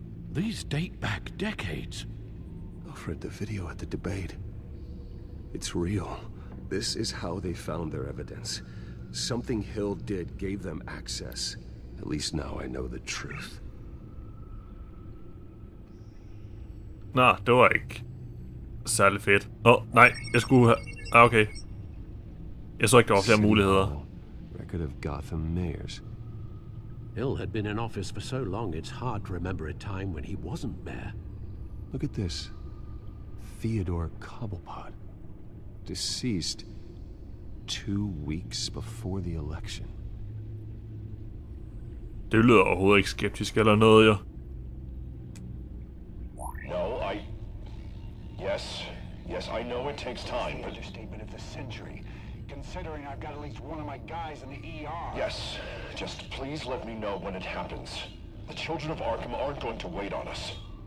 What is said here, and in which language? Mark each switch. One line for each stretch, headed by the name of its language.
English: These date back decades. Alfred, the video at the debate. It's real. This is how they found their evidence. Something Hill did gave them access. At least now I know the truth.
Danish: Nah, det var ikke særlig fedt. Oh, nej, jeg skulle have... Ah, okay. Jeg så ikke, der var flere muligheder.
English: Record of Gotham Mayors. Hill had been in office for so long, it's hard to remember a time when he wasn't mayor. Look at this. Theodore Cobblepot. Deceased 2 weeks before the election.
Danish: Det lyder overhovedet ikke skeptisk eller noget, jo.
English: No, I... Yes, yes, I know it takes time, but... Statement of the century, considering I've got at least one of my guys in the ER. Yes, just please let me know when it happens. The Children of Arkham aren't going to wait on us.